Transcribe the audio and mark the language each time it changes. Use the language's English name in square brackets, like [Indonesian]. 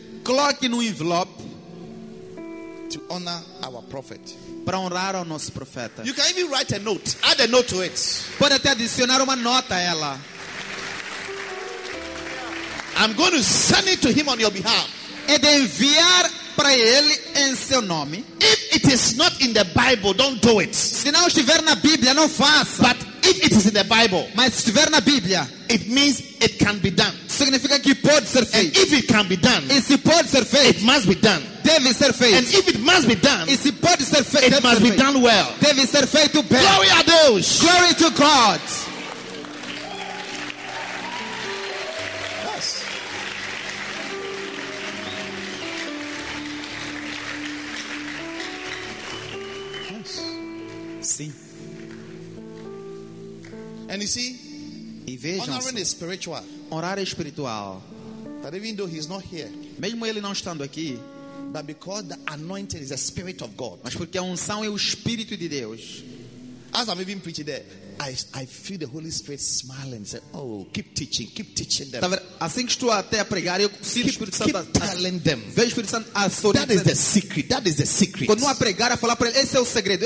[Portuguese] Coloque no envelope. [English] To honor our prophet. [Portuguese] Para honrar o nosso profeta. [English] You can even write a note. Add a note to it. [Portuguese] Pode até adicionar uma nota a ela. [English] I'm going to send it to him on your behalf. [Portuguese] É de enviar para ele em seu nome. [English] If it is not in the Bible, don't do it. [Portuguese] Se não estiver na Bíblia, não faça. [English] But if it is in the Bible, [Portuguese] mas se estiver na Bíblia, [English] it means it can be done. [Portuguese] Significa que pode ser feito. [English] And if it can be done, [Portuguese] e se pode ser feito, [English] it must be done. [Portuguese] Deve ser feito. [English] And if it must be done, [Portuguese] e se pode ser feito, [English] it must be done well. [Portuguese] Deve ser feito bem. Glory a Deus. [English] Glory to God. Yes. [Portuguese] assim. [English] And you see, [Portuguese] e vejam, [English] honoring is spiritual. [Portuguese] Honrar é espiritual. [English] That even though he's not here, [Portuguese] mesmo ele não estando aqui, [English] but because the anointing is the spirit of God. [Portuguese] Mas porque a unção é o espírito de Deus. [English] As I'm even preaching there, I feel the Holy Spirit smiling. Say, oh, keep teaching them. [Portuguese] Assim que estou até a pregar, eu sinto o Espírito Santo. [English] Keep telling them. [Portuguese] Vejo o Espírito Santo a [English] sorrir. That is the secret. That is the secret. [Portuguese] Quando a pregar, a falar para ele, esse é o segredo.